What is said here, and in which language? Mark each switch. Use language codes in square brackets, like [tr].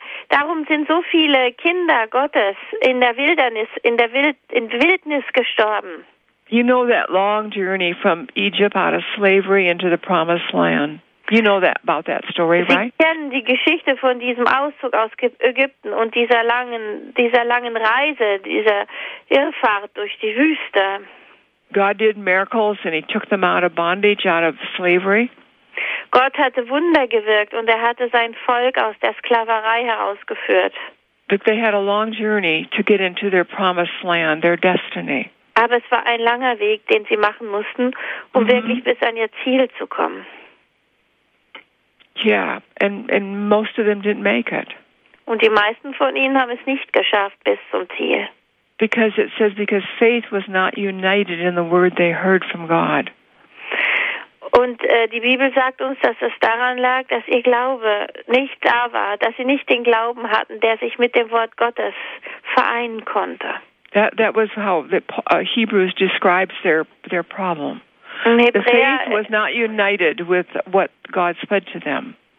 [de] Darum sind so viele Kinder Gottes in der Wildnis, in Wildnis gestorben. [en] You know that long journey from Egypt out of slavery into the promised land. You know that about that story, right? [de] Sie kennen die Geschichte von diesem Auszug aus Ägypten und dieser langen Reise, dieser Irrfahrt durch die Wüste. [en] God did miracles and he took them out of bondage, out of slavery. [de] Gott hatte Wunder gewirkt und er hatte sein Volk aus der Sklaverei herausgeführt. [en] But they had a long journey to get into their promised land, their destiny. [de] Aber es war ein langer Weg, den sie machen mussten, um wirklich bis an ihr Ziel zu kommen. [en] Yeah, and most of them didn't make it. [de] Und die meisten von ihnen haben es nicht geschafft bis zum Ziel. [en] Because it says, because faith was not united in the word they heard from God. [de] Und die Bibel sagt uns, dass es daran lag, dass ihr Glaube nicht da war, dass sie nicht den Glauben hatten, der sich mit dem Wort Gottes vereinen konnte. [en] That was how the Hebrews describes their problem. [de] Hebräer, [en] the faith was not united with what God said to them.